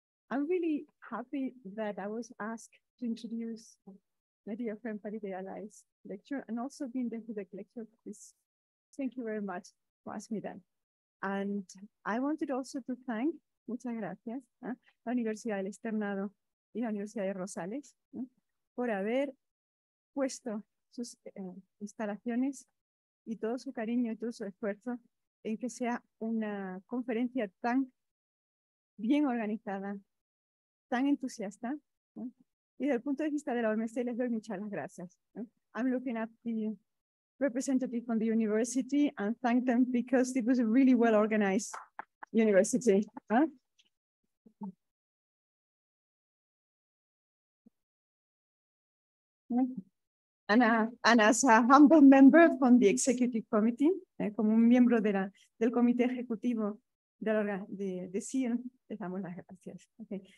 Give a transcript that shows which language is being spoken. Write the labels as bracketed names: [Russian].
[English] I'm really happy that I was asked to introduce my dear friend Padiri Alai's lecture and also being there for the lecture. Please, thank you very much for asking me that. And I wanted also to thank, [Spanish] muchas gracias, la Universidad del Externado y la Universidad de Rosales por haber puesto sus instalaciones y todo su cariño y todo su esfuerzo en que sea una conferencia tan bien organizada, tan entusiasta. Y desde el punto de vista de la OMC les doy muchas gracias. [English] I'm looking at the representative from the university and thank them because it was a really well organized university. And as a humble member from the executive committee, [Spanish] como un miembro de del comité ejecutivo de CIEN, les damos las gracias. Okay.